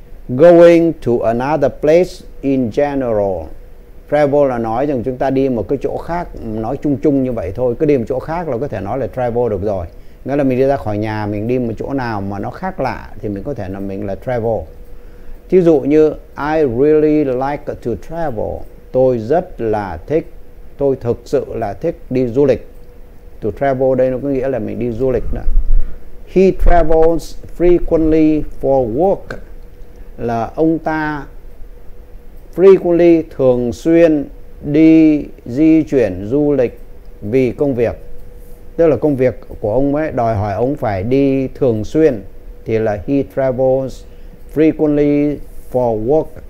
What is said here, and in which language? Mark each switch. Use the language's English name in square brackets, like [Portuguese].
[English] Going to another place in general. [Vietnamese] Travel là nói rằng chúng ta đi một cái chỗ khác, nói chung chung như vậy thôi. Cứ đi một chỗ khác là có thể nói là travel được rồi. Nghĩa là mình đi ra khỏi nhà, mình đi một chỗ nào mà nó khác lạ thì mình có thể là mình là travel. Thí dụ như [English] I really like to travel. [Vietnamese] Tôi rất là thích, tôi thực sự là thích đi du lịch. To travel đây nó có nghĩa là mình đi du lịch đó. [English] He travels frequently for work. [Vietnamese] Là ông ta frequently thường xuyên đi di chuyển du lịch vì công việc, tức là công việc của ông ấy đòi hỏi ông phải đi thường xuyên, thì là [English] he travels frequently for work.